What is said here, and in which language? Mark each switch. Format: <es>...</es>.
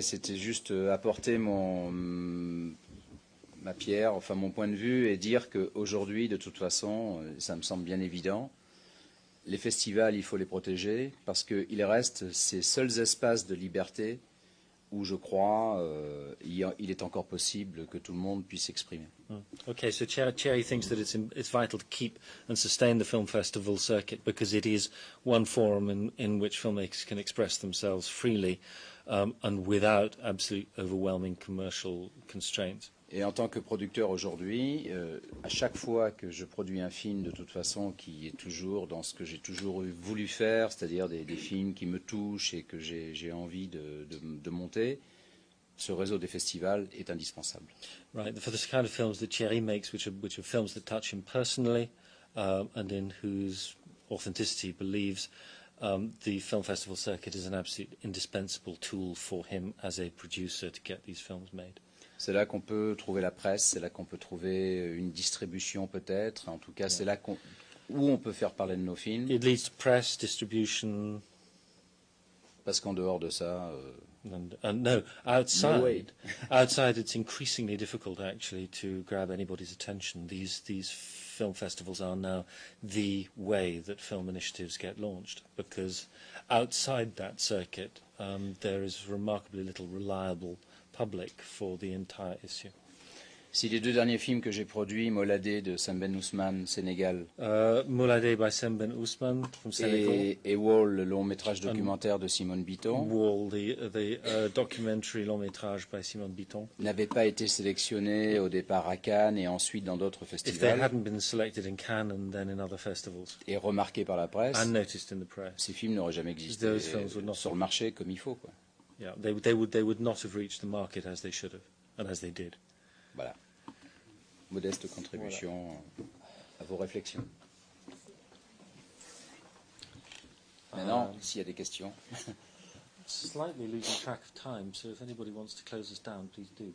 <fr>C'était juste apporter ma pierre, enfin mon point de vue, et dire qu'aujourd'hui, de toute façon, ça me semble bien évident, les festivals, il faut les protéger, parce qu'ils restent ces seuls espaces de liberté où, je crois, il est encore possible que tout le monde puisse s'exprimer.</fr> <en>Ok, so Thierry thinks that it's vital to keep and sustain the film festival circuit because it is one forum in which filmmakers can express themselves freely and without absolute overwhelming commercial constraints.</en> <fr>Et en tant que producteur aujourd'hui, à chaque fois que je produis un film, de toute façon, qui est toujours dans ce que j'ai toujours voulu faire, c'est-à-dire des films qui me touchent et que j'ai envie de monter, ce réseau des festivals est indispensable.</fr> <en>Right, for the kind of films that Thierry makes, which are films that touch him personally, and in whose authenticity he believes, the film festival circuit is an absolute indispensable tool for him as a producer to get these films made.</en> <fr>C'est là qu'on peut trouver la presse, c'est là qu'on peut trouver une distribution peut-être. En tout cas, c'est là où on peut faire parler de nos films.</fr> <en>It leads to press, distribution.</en> <fr>Parce qu'en dehors de ça...</fr> <en>Outside it's increasingly difficult actually to grab anybody's attention. These film festivals are now the way that film initiatives get launched. Because outside that circuit, there is remarkably little reliable public for the entire issue.</en> <fr>Si les deux derniers films que j'ai produits, Molade de Semben Ousmane, Sénégal.</fr> <en>Molade by Semben Ousmane from Senegal.</en> <fr>Et Wall, le long métrage documentaire de Simone Biton.</fr> <en>Wall, the documentary long métrage by Simone Biton.</en> <fr>N'avaient pas été sélectionnés au départ à Cannes et ensuite dans d'autres festivals.</fr> <en>If they hadn't been selected in Cannes and then in other festivals.</en> <fr>Et remarqués par la presse.</fr> <en>And noticed in the press.</en> <fr>Ces films n'auraient jamais existé sur le marché comme il faut, quoi.</fr> <en>Yeah, they would not have reached the market as they should have, and as they did.</en> <fr>Voilà. Modeste contribution à vos réflexions. Maintenant, s'il y a des questions.</fr> <en>Slightly losing track of time, so if anybody wants to close us down, please do.</en>